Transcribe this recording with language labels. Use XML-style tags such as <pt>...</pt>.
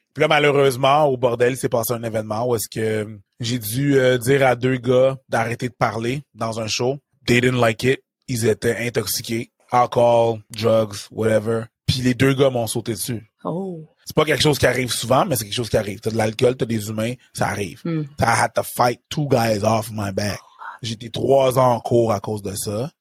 <fr>Pis là, malheureusement, au bordel, s'est passé un événement où est-ce que j'ai dû dire à deux gars d'arrêter de parler dans un show.</fr> <en>They didn't like it.</en> <fr>Ils étaient intoxiqués.</fr> <en>Alcohol, drugs, whatever.</en> <fr>Pis les deux gars m'ont sauté dessus. Oh. C'est pas quelque chose qui arrive souvent, mais c'est quelque chose qui arrive. T'as de l'alcool, t'as des humains, ça arrive. Mm.</fr> <en>I had to fight 2 guys off my back.</en> <fr>J'étais 3 ans en cours à cause de ça.</fr>